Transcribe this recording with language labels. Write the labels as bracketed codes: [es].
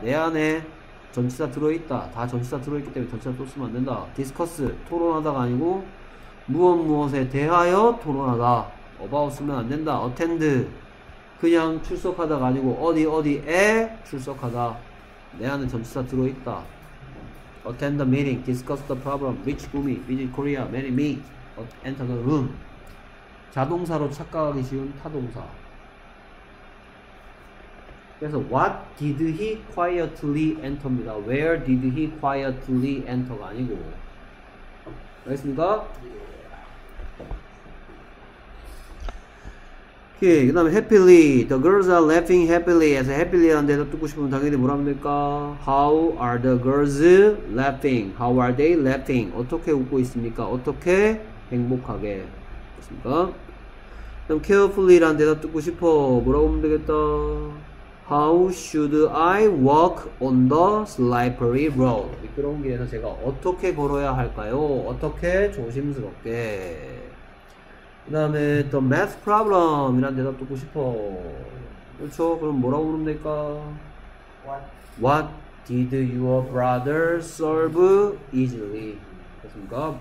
[ko] 내 안에 전치사 들어있다. 다 전치사 들어있기 때문에 전치사 또 쓰면 안 된다. 디스커스 토론하다가 아니고 무엇무엇에 대하여 토론하다. about 쓰면 안 된다. attend 그냥 출석하다가 아니고 어디 어디에 출석하다. 내 안에 전치사 들어있다. [en] Attend the meeting, discuss the problem, reach Bumi, visit Korea, marry me, enter the room. [ko] 자동사로 착각하기 쉬운 타동사. 그래서 [en] what did he quietly enter입니다. Where did he quietly enter [ko] 가 아니고. 알겠습니까? 오케이. 그 다음에 happily. [en] The girls are laughing happily. [ko] 에서 happily 라는 대답 듣고 싶으면 당연히 뭐라 하면 될까? [en] How are the girls laughing? How are they laughing? [ko] 어떻게 웃고 있습니까? 어떻게 행복하게. 됐습니까? 그 다음 carefully 라는 대답 듣고 싶어. 뭐라고 하면 되겠다? [en] How should I walk on the slippery road? [ko] 미끄러운 길에서 제가 어떻게 걸어야 할까요? 어떻게 조심스럽게. 그 다음에 [en] the math problem [ko] 이란 대답 듣고 싶어. 그렇죠? 그럼 뭐라고 부르면 될까? [en] What did your brother solve easily? [ko] 그렇습니까?